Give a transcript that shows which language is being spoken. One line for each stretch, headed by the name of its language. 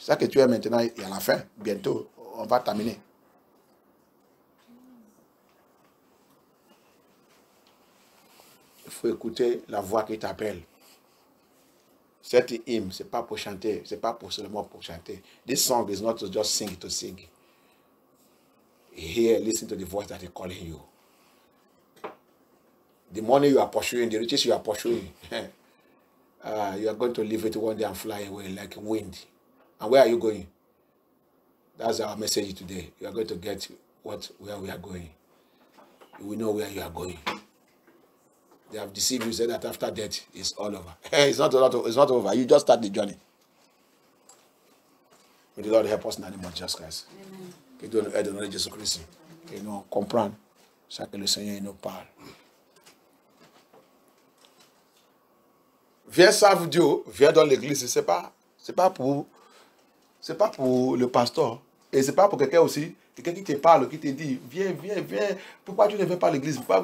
French: Ça que tu es maintenant, il y a la fin. Bientôt, on va terminer. Il faut écouter la voix qui t'appelle. Cet hymne, ce n'est pas pour chanter, ce n'est pas pour seulement pour chanter.
English: This song is not to just sing to sing. Here, listen to the voice that is calling you. The money you are pursuing, the riches you are pursuing, you are going to leave it one day and fly away like wind. And where are you going? That's our message today. You are going to get where we are going. You will know where you are going. They have deceived you, said that after death, it's all over. It's not over. You just start the journey. May the Lord help us in the name of Jesus Christ.
French: Que Dieu nous aide dans le nom de Jésus Christ. Que nous comprenons ce que le Seigneur nous parle. Viens savoir Dieu, viens dans l'église. C'est pas pour le pasteur. Et c'est pas pour quelqu'un aussi. Quelqu'un qui te parle, qui te dit, viens. Pourquoi tu ne viens pas à l'église?